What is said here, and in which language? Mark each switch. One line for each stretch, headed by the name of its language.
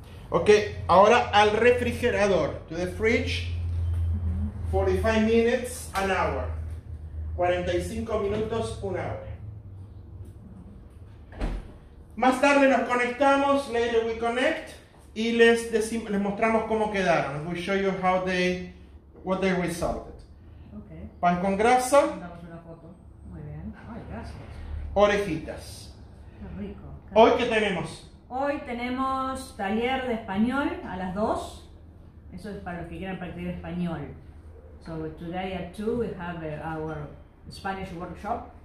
Spanish: Ok, ahora al refrigerador,
English: to the fridge. 45 minutes, an hour.
Spanish: 45 minutos, una hora. Más tarde nos conectamos,
English: later we connect,
Spanish: y les mostramos cómo quedaron.
English: We show you how they, what they resulted. Okay.
Spanish: Pan con grasa. Damos una foto. Muy bien. Ay, gracias. Orejitas. Qué rico. ¿Hoy qué tenemos? Hoy tenemos taller de español a las 2. Eso es para los que quieran practicar español.
English: So today at 2 we have our Spanish workshop.